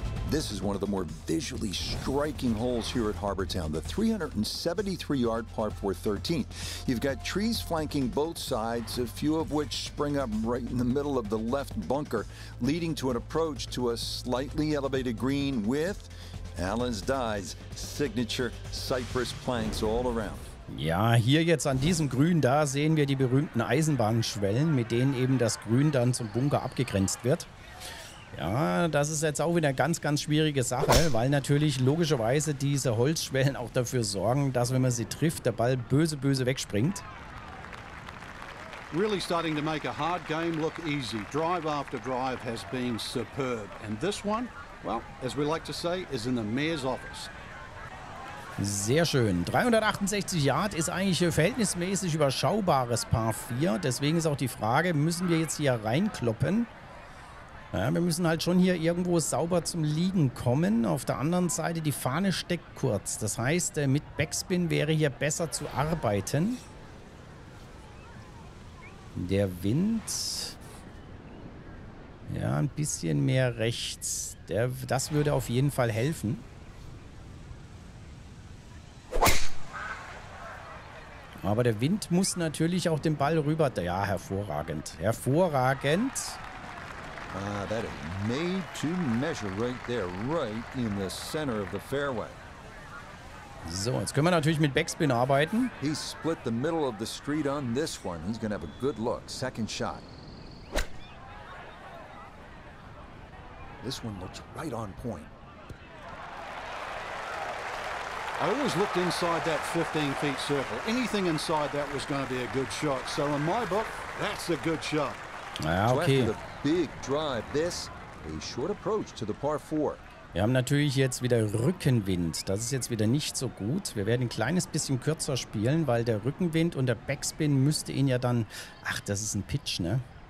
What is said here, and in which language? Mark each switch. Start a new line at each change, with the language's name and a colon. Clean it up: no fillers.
English: This is one of the more visually striking holes here at Harbortown, the 373-yard par 4 13th. You've got trees flanking both sides, a few of which spring up right in the middle of the left bunker, leading to an approach to a slightly elevated green with Allen's Dyes signature cypress planks all around.
German: Ja, hier jetzt an diesem Grün, da sehen wir die berühmten Eisenbahnschwellen, mit denen eben das Grün dann zum Bunker abgegrenzt wird. Ja, das ist jetzt auch wieder eine ganz, ganz schwierige Sache, weil natürlich logischerweise diese Holzschwellen auch dafür sorgen, dass wenn man sie trifft, der Ball böse, böse wegspringt.
English: Really starting to make a hard game look easy. Drive after drive has been superb. And this one, well, as we like to say, is in the mayor's office.
German: Sehr schön. 368 Yard ist eigentlich ein verhältnismäßig überschaubares Par 4. Deswegen ist auch die Frage, müssen wir jetzt hier reinkloppen? Ja, wir müssen halt schon hier irgendwo sauber zum Liegen kommen. Auf der anderen Seite, die Fahne steckt kurz. Das heißt, mit Backspin wäre hier besser zu arbeiten. Der Wind. Ja, ein bisschen mehr rechts. Das würde auf jeden Fall helfen. Aber der Wind muss natürlich auch den Ball rüber. Ja, hervorragend. Hervorragend.
English: Ah, that is made to measure right there, right in the center of the fairway.
German: So, jetzt können wir natürlich mit Backspin arbeiten.
English: He split the middle of the street on this one. He's gonna have a good look. Second shot. This one looks right on point. I always looked inside that 15-foot circle. Anything inside that was gonna be a good shot. So in my book, that's a good shot. Ah, okay. So after the big drive, this a short approach to the par 4.
German: Wir haben natürlich jetzt wieder Rückenwind. Das ist jetzt wieder nicht so gut. Wir werden ein kleines bisschen kürzer spielen, weil der Rückenwind und der Backspin müsste ihn ja dann... Ach, das ist ein Pitch, ne?